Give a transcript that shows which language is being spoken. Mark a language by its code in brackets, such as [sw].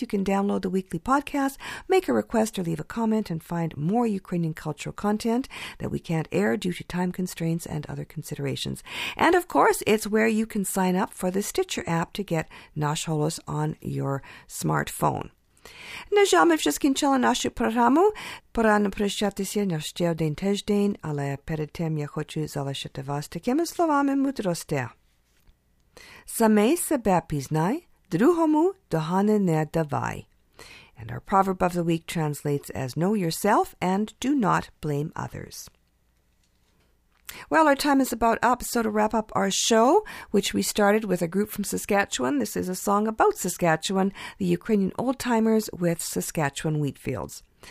[en] You can download the weekly podcast, make a request or leave a comment, and find more Ukrainian cultural content that we can't air due to time constraints and other considerations. And of course, it's where you can sign up for the Stitcher app to get Nash Holos on your smartphone. [uk] Нажами вже скінчила нашу програму. Пора напрощатися на ще один тиждень, але перед тим я хочу залишити вас такими словами мудрості. Саме себе пізнай, другому догани не давай. [en] And our proverb of the week translates as know yourself and do not blame others. Well, our time is about up, so to wrap up our show, which we started with a group from Saskatchewan, this is a song about Saskatchewan, the Ukrainian old-timers with Saskatchewan wheat fields.